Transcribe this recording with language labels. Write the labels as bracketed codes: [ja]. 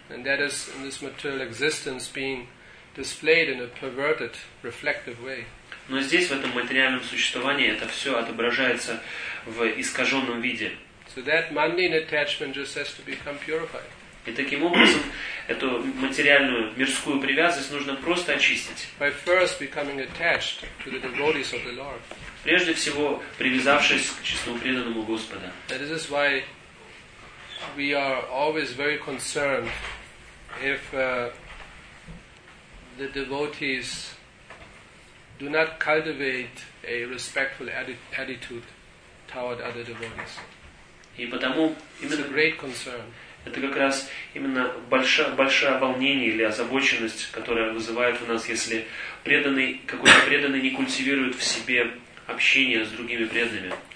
[en] And that is in this material existence being displayed in a perverted, reflective way. [ru] Но здесь, в этом материальном существовании, это все отображается в искаженном виде. [en] So that mundane attachment just has to become purified. [ru] И таким образом, эту материальную, мирскую привязанность нужно просто очистить. [en] By first becoming attached to the devotees of the Lord. [ru] Прежде всего, привязавшись к чистому преданному Господа. [en] That is why we are always very concerned if the devotees do not cultivate a respectful attitude toward other devotees. [ru] И потому [en] it's a great concern. [ru] Это как раз именно большое волнение или озабоченность, которая вызывает у нас, если преданный, какой-то преданный не культивирует в себе общение с другими преданными.